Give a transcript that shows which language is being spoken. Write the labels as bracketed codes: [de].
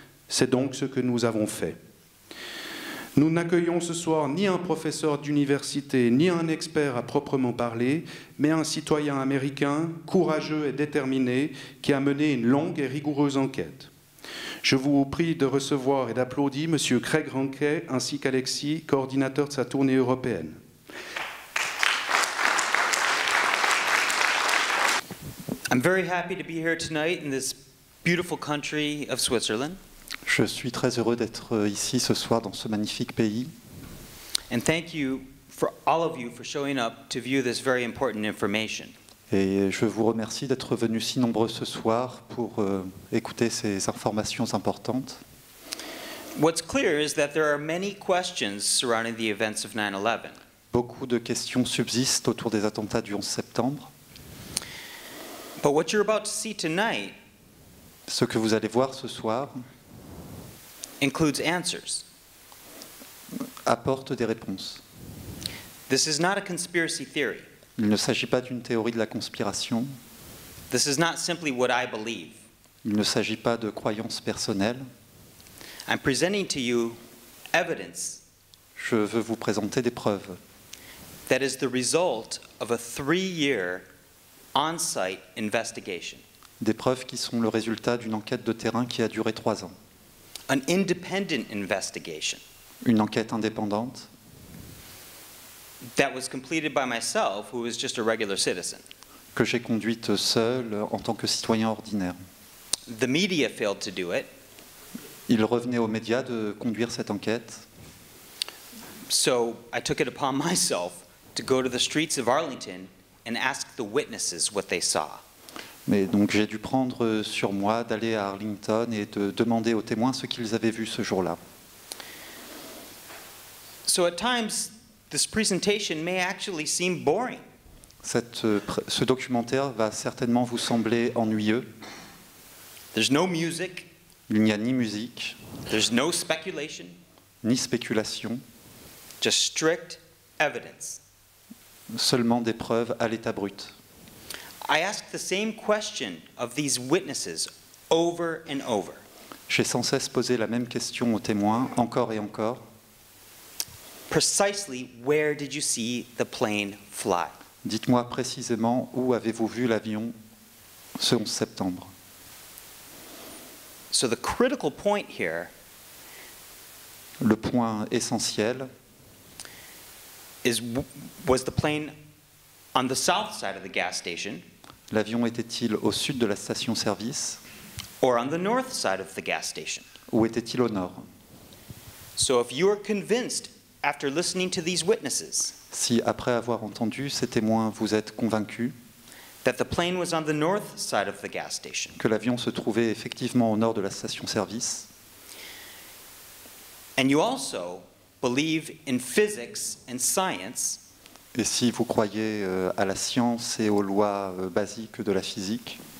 [fr] C'est donc ce que nous avons fait. Nous n'accueillons ce soir ni un professeur d'université, ni un expert à proprement parler, mais un citoyen américain, courageux et déterminé, qui a mené une longue et rigoureuse enquête. Je vous prie de recevoir et d'applaudir M. Craig Ranquet, ainsi qu'Alexis, coordinateur de sa tournée européenne. [en] I'm very happy to be here tonight in this beautiful country of Switzerland. [fr] Je suis très heureux d'être ici ce soir dans ce magnifique pays. [en] And thank you for all of you for showing up to view this very important information. [fr] Et je vous remercie d'être venus si nombreux ce soir pour écouter ces informations importantes. [en] What's clear is that there are many questions surrounding the events of 9/11. [fr] Beaucoup de questions subsistent autour des attentats du 11 septembre. [en] But what you're about to see tonight, [fr] ce que vous allez voir ce soir, [en] includes answers. [fr] Apporte des réponses. [en] This is not a conspiracy theory. [fr] Il ne s'agit pas d'une théorie de la conspiration. [en] This is not simply what I believe. [fr] Il ne s'agit pas de croyances personnelles. [en] I'm presenting to you evidence. [fr] Je veux vous présenter des preuves. [en] That is the result of a 3-year on-site investigation. [fr] Des preuves qui sont le résultat d'une enquête de terrain qui a duré 3 ans. [en] An independent investigation. [fr] Une enquête indépendante. [en] That was completed by myself, who was just a regular citizen. [fr] Que j'ai conduite seul en tant que citoyen ordinaire. [en] The media failed to do it. [fr] Il revenait aux médias de conduire cette enquête. [en] So I took it upon myself to go to the streets of Arlington and ask the witnesses what they saw. [fr] Mais donc j'ai dû prendre sur moi d'aller à Arlington et de demander aux témoins ce qu'ils avaient vu ce jour-là. [en] So at times this presentation may actually seem boring. [fr] Ce documentaire va certainement vous sembler ennuyeux. [en] There's no music. [fr] Il n'y a ni musique. [en] There's no speculation. [fr] Ni spéculation. [en] Just strict evidence. [fr] Seulement des preuves à l'état brut. [en] I asked the same question of these witnesses over and over. [fr] J'ai sans cesse posé la même question aux témoins, encore et encore. [en] Precisely where did you see the plane fly? [fr] Dites-moi précisément où avez-vous vu l'avion ce 11 septembre. [en] So the critical point here, [fr] le point essentiel, [en] was the plane on the south side of the gas station? [fr] L'avion était-il au sud de la station-service? [en] Or on the north side of the gas station? [fr] Ou était-il au nord? [en] So if you are convinced after listening to these witnesses, [fr] si après avoir entendu ces témoins vous êtes convaincu, [en] that the plane was on the north side of the gas station, [fr] que l'avion se trouvait effectivement au nord de la station-service, [en] and you also believe in physics and science, [fr] et si vous croyez à la science et aux lois basiques de la physique,